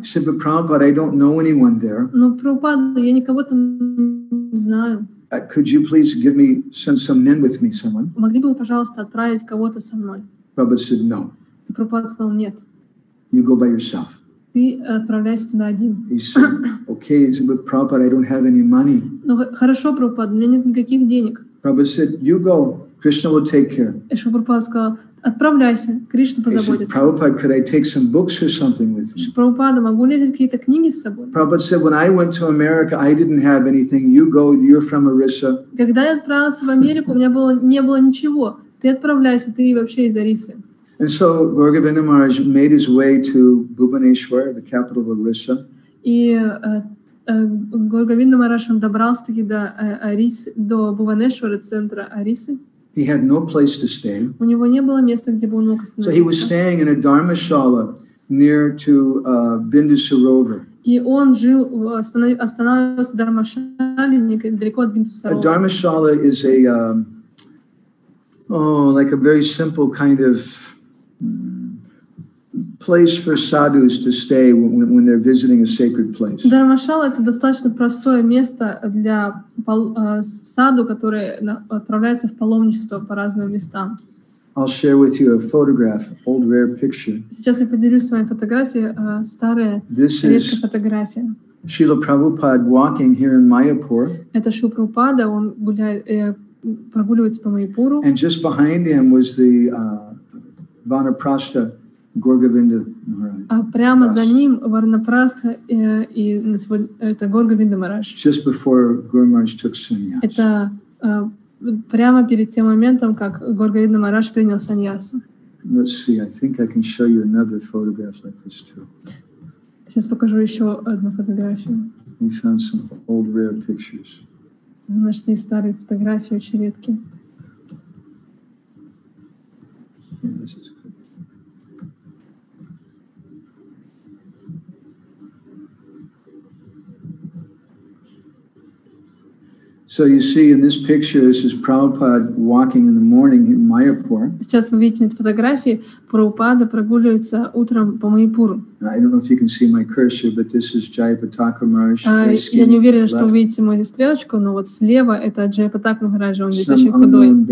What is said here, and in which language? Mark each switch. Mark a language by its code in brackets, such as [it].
[en] He said, but Prabhupada, I don't know anyone there. [ru] Но Прабхупада, я никого там не знаю. [en] Could you please give me, send some men with me, someone? [ru] Могли бы вы, пожалуйста, отправить кого-то со мной? [en] Prabhupada said, no. [ru] И Прабхупада сказал, нет. [en] You go by yourself. [ru] Ты отправляйся туда один. [en] He said, okay, he said, but Prabhupada, I don't have any money. [ru] Ну, хорошо, Прабхупада, у меня нет никаких денег. [en] Prabhupada said, you go, Krishna will take care. [ru] И Прабхупада сказал, отправляйся, Кришна позаботится. [en] Prabhupada, could I take some books or something with me? [ru] Прабхупада, могу ли я взять какие-то книги с собой? [en] Prabhupada said, when I went to America, I didn't have anything. You go, you're from Orissa. [ru] Когда я отправился в Америку, у меня не было ничего. Ты отправляйся, ты вообще из Орисы. [en] And so Gaurgavinda Maharaj made his way to Bhubaneswar, the capital of Orissa. [ru] И Гаургавинда Махарадж добрался таки до Орисы, до Бхубанешвара, центра Орисы. [en] He had no place to stay. [ru] У него не было места, где бы он мог остановиться. [en] So he was staying in a dharmashala near to Bindu Sarovar. [ru] И он жил, останавливался в дармашале недалеко от Бинду Саровара. [en] A dharmashala is a like a very simple kind of place for sadhus to stay when they're visiting a sacred place. [ru] Дармашала — это достаточно простое место для саду, который отправляется в паломничество по разным местам. [en] I'll share with you a photograph, old rare picture. [ru] Сейчас я поделюсь с вами фотографией, старая редкая фотография. [en] Srila Prabhupada walking here in Mayapur. [ru] Это Шрила Прабхупада, он прогуливается по Майяпуру. [en] And just behind him was the Vanaprastha Gaurgavinda Maharaj. [ru] А прямо за ним Варнапрастха и это Гаургавинда Махарадж. [en] Just before Guru Maharaj took sannyas. [ru] Это прямо перед тем моментом, как Гаургавинда Махарадж принял саньясу. [en] Let's see. I think I can show you another photograph like this too. [ru] Сейчас покажу еще одну фотографию. [en] We found some old rare pictures. [ru] Мы нашли старые фотографии, очень редкие. [en] So you see in this picture, this is Prabhupada walking in the morning in Mayapur. [ru] Сейчас вы видите на фотографии, Прабхупада прогуливается утром по Майяпуру. [en] I don't know if you can see my cursor, but this is Jayaprataka Maharaj. [ru] Я не уверена, что вы видите мою стрелочку, но вот слева это Джайапатака Махараджа, он здесь очень худой.